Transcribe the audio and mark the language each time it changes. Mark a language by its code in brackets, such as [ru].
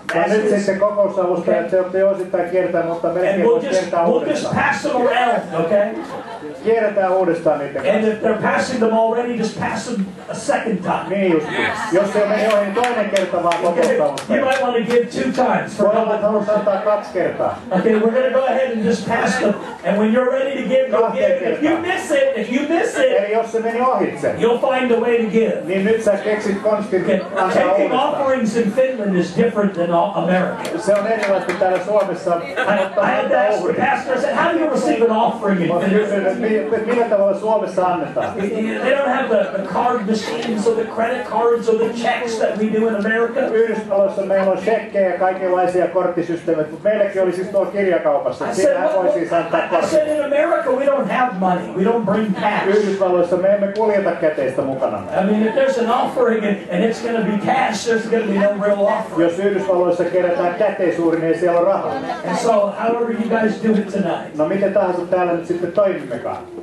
[fi] Nyt sitten kokousalusta, että te olette osittain kiertää, mutta melkein voi kiertää uudestaan. Kierretään uudestaan niiden [en] kanssa. And if they're passing them already, just pass them a second time. [fi] Niin just. Jos se on mennyt ohi toinen kerta vaan kokousalusta. [en] You might want to give two times. [fi] Voi olla, että haluaisi antaa kaksi kertaa. [en] Okay, we're going to go ahead and just pass them. And when you're ready to give, you'll give. If you miss it. [fi] Eli jos se meni ohitse. [en] You'll find a way to give. [fi] Niin nyt sä keksit konstit. [en] Taking offerings in Finland is different than America. [fi] Se on erilaisesti kuin täällä Suomessa. [en] I had to ask the pastor, I said, how do you receive an offering in Finland? [fi] Millä tavalla Suomessa annetaan? [en] They don't have the card machines or the credit cards or the checks that we do in America. [fi] Yhdysvalloissa meillä on shekkejä ja kaikenlaisia korttisysteemejä, mutta meilläkin oli siis tuolla kirjakaupassa. Siinä voi siis antaa [en] kortti. I said, in America we don't have money. We don't bring cash. [fi] Yhdysvalloissa me emme kuljeta käteistä mukana. [en] I mean, if there's an offering and it's going to be cash, there's going to be no real offering. [fi] Jos Yhdysvalloissa kerätään käteisuuri, niin ei siellä ole rahaa. [en] And so, however you guys do it tonight. [fi] No miten tahansa täällä nyt sitten toimimmekaan.